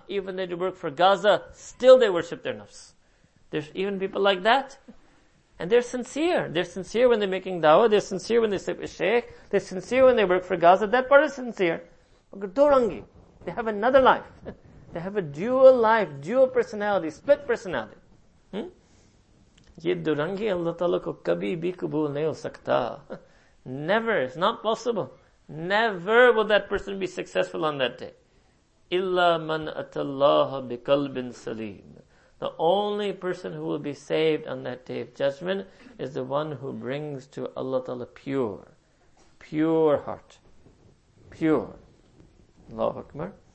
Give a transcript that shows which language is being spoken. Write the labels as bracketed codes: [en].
[en] Even they do work for Gaza. Still they worship their nafs. There's even people like that. And they're sincere. They're sincere when they're making dawah. They're sincere when they sleep with sheikh. They're sincere when they work for Gaza. That part is sincere. Dorangi. They have another life. They have a dual life, dual personality, split personality. [ur] یہ دورنگی اللہ تعالیٰ کو کبھی بھی قبول نہیں ہو سکتا۔ [en] Never. It's not possible. Never will that person be successful on that day. [ar] Illa man atallaha bi kalbin salim. [en] The only person who will be saved on that day of judgment is the one who brings to Allah Ta'ala pure, pure heart. Pure. Allahu Akbar.